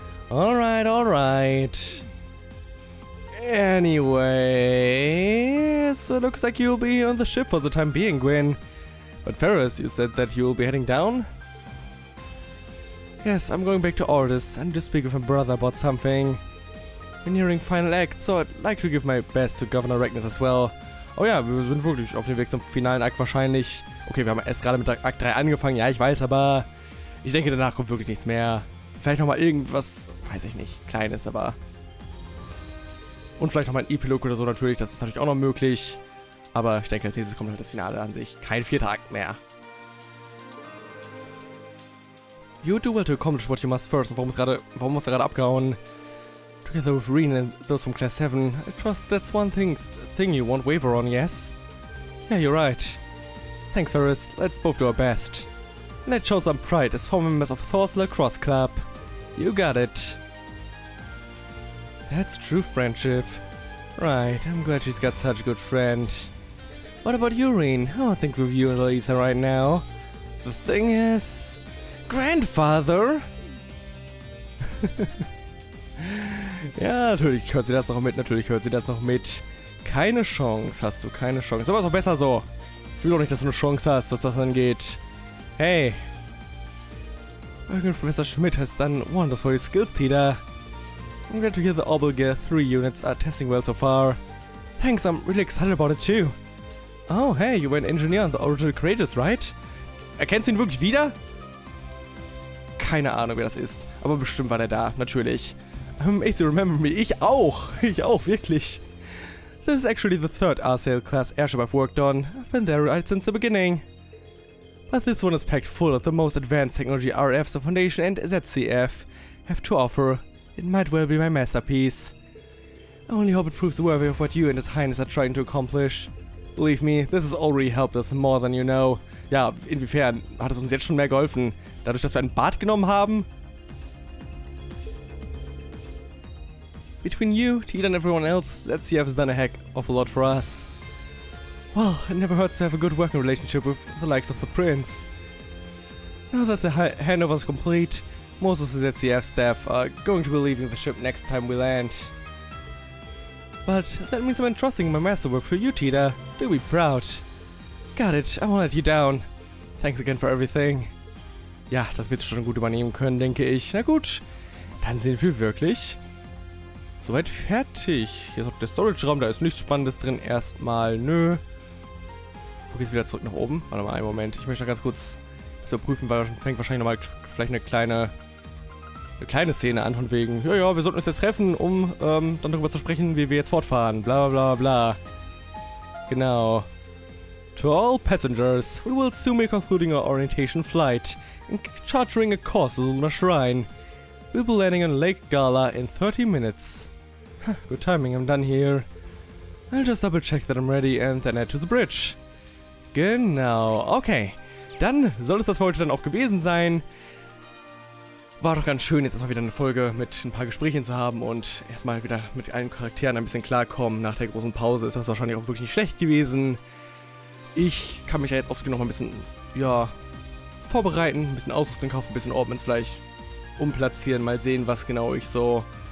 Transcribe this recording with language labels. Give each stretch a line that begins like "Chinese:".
English: Alright. Anyway, so it looks like you'll be on the ship for the time being, Gwyn. But Ferris, you said that you'll be heading down? Yes, I'm going back to Ordis and to speak with my brother about something. We're nearing final act, so I'd like to give my best to Governor Ragnus as well.
German: Oh ja, wir sind wirklich auf dem Weg zum finalen Akt wahrscheinlich. Okay, wir haben erst gerade mit Akt 3 angefangen. Ja, ich weiß, aber ich denke, danach kommt wirklich nichts mehr. Vielleicht nochmal irgendwas, weiß ich nicht, Kleines, aber... Und vielleicht nochmal ein Epilog oder so natürlich, das ist natürlich auch noch möglich. Aber ich denke, als nächstes kommt halt das Finale an sich. Kein vierter Akt mehr.
English: You do well to accomplish what you must first.
German: Warum ist er gerade abgehauen?
English: Together with Rin and those from Class 7, I trust that's one thing you won't waver on, yes? Yeah, you're right. Thanks, Ferris. Let's both do our best. Let's show some pride as former members of Thor's Lacrosse Club. You got it. That's true friendship. Right, I'm glad she's got such a good friend. What about you, Rin? How are things with you and Elisa right now? The thing is... Grandfather!
German: Ja, natürlich hört sie das noch mit, natürlich hört sie das noch mit. Keine Chance hast du, keine Chance. Aber ist auch besser so. Ich will doch nicht, dass du eine Chance hast, was das angeht. Hey! Irgendwann
English: Professor Schmidt has done wonders for your skills, Tita. I'm glad to hear the Orbital Gear 3 units are testing well so far. Thanks, I'm really excited about it too. Oh, hey, you were an engineer on the Orbital Courageous, right?
German: Erkennst du ihn wirklich wieder? Keine Ahnung, wer das ist. Aber bestimmt war der da, natürlich.
English: Ace, you remember me.
German: Ich auch, wirklich.
English: This is actually the third RCL-class airship I've worked on. I've been there right since the beginning. But this one is packed full of the most advanced technology RFs the Foundation and ZCF have to offer. It might well be my masterpiece. I only hope it proves worthy of what you and His Highness are trying to accomplish. Believe me, this has already helped us more than you know.
German: Ja, inwiefern hat es uns jetzt schon mehr geholfen? Dadurch, dass wir einen Bart genommen haben?
English: Between you, Tita, and everyone else, ZCF has done a heck of a lot for us. Well, it never hurts to have a good working relationship with the likes of the Prince. Now that the handover is complete, most of the ZCF staff are going to be leaving the ship next time we land. But that means I'm entrusting my masterwork for you, Tita. Do be proud. Got it, I won't let you down. Thanks again for everything.
German: Ja, das wird schon gut übernehmen können, denke ich. Na gut, dann sehen wir wirklich. Soweit fertig. Hier ist auch der Storage-Raum, da ist nichts Spannendes drin. Erstmal, nö. Wo geht's wieder zurück nach oben? Warte mal einen Moment. Ich möchte noch ganz kurz das überprüfen, weil dann fängt wahrscheinlich nochmal vielleicht eine kleine Szene an, von wegen. Ja, wir sollten uns jetzt treffen, um dann darüber zu sprechen, wie wir jetzt fortfahren. Bla, bla, bla. Genau.
English: To all passengers, we will soon be concluding our orientation flight and chartering a course on the shrine. We'll be landing on Lake Gala in 30 minutes. Good timing, I'm done here. I'll just double check that I'm ready and then head to the bridge.
German: Genau, okay. Dann soll es das für heute dann auch gewesen sein. War doch ganz schön, jetzt mal wieder eine Folge mit ein paar Gesprächen zu haben und erstmal wieder mit allen Charakteren ein bisschen klarkommen. Nach der großen Pause ist das wahrscheinlich auch wirklich nicht schlecht gewesen. Ich kann mich ja jetzt aufs Genug mal ein bisschen, ja, vorbereiten, ein bisschen Ausrüstung kaufen, ein bisschen Ordnance vielleicht umplatzieren, mal sehen, was genau ich so